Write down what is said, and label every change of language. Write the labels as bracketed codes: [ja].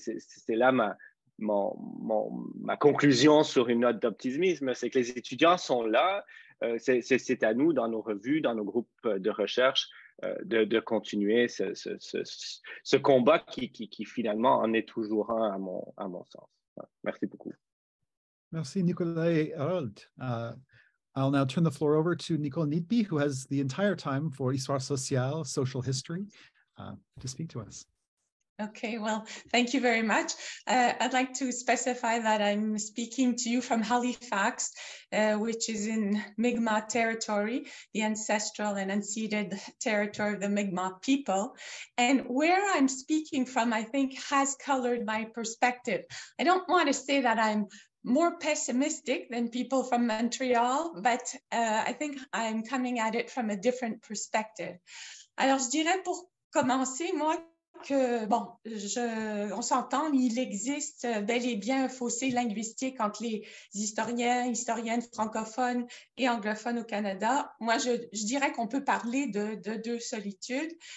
[fr] Et c'est là ma conclusion sur une note d'optimisme, c'est que les étudiants sont là. C'est à nous, dans nos revues, dans nos groupes de recherche, de continuer ce combat qui finalement en est toujours un à mon sens. Merci beaucoup. Merci, Nicolas et Harold. [en] I'll now turn the floor over to Nicole Neatby, who has the entire time for Histoire Sociale, Social History, to speak to us. Okay, well, thank you very much. I'd like to specify that I'm speaking to you from Halifax, which is in Mi'kmaq territory, the ancestral and unceded territory of the Mi'kmaq people. And where I'm speaking from, I think, has colored my perspective. I don't want to say that I'm more pessimistic than people from Montreal, but I think I'm coming at it from a different perspective. [fr] Alors, je dirais pour commencer, moi, que, bon, on s'entend, il existe bel et bien un fossé linguistique entre les historiens, historiennes francophones et anglophones au Canada. Moi, je dirais qu'on peut parler de deux solitudes.